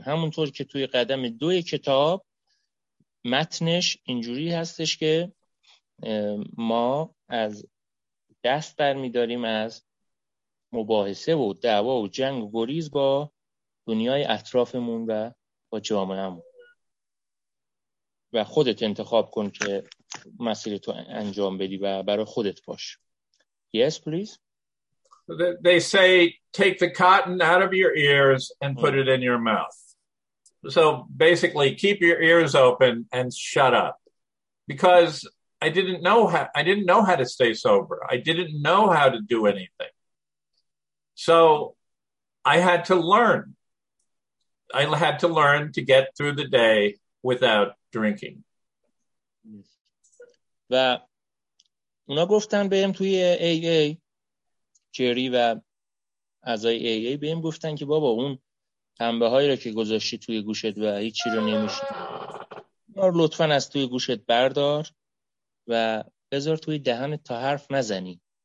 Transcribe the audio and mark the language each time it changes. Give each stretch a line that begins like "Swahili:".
Persian: همونطور که توی قدم دو کتاب متنش اینجوری هستش که ما از دست برمیداریم از مباحثه و دعوا و جنگ و گریز با دنیای اطرافمون و با جامعه‌مون و خودت انتخاب کن که مسیر تو انجام بدی و برای خودت باش.
English: Yes, please. They say take the cotton out of your ears and put it in your mouth. So basically keep your ears open and shut up. Because I didn't know how to stay sober. I didn't know how to do anything. So I had to learn to get through the day without drinking.
Persian: و اونا گفتن بهم توی AA، جری و اعضای AA بهم گفتن که بابا اون پنبه هایی را که گذاشتی توی گوشت و هیچی رو نمیشه، بار لطفاً از توی گوشت بردار و بذار توی دهنت تا حرف نزنی